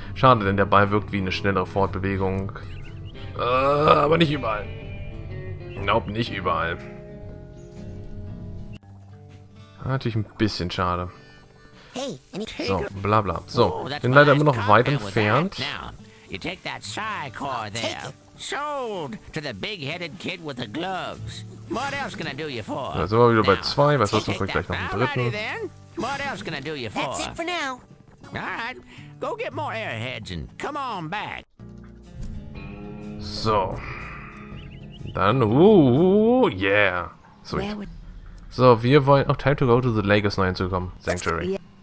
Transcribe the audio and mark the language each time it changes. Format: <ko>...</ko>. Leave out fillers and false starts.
<de>Schade, denn der Ball wirkt wie eine schnellere Fortbewegung. Aber nicht überall. Nope, nicht überall. Natürlich ein bisschen schade. So, bla bla. So, bin leider immer noch weit entfernt.</de> <en>You take that Psi-Core there. Take it. Sold to the big-headed kid with the gloves. What else can I do you for?</en> <de>Also, wir sind bei zwei, was sonst kriegt gleich noch einen dritten.</de> <en>Then. What else can I do you for? That's it for now. All right, go get more airheads and come on back.</en> <de>So. Dann, yeah. Sweet. So, wir wollen...</de> <en>Oh, time to go to the Lagos 9 zu kommen. Sanctuary.</en>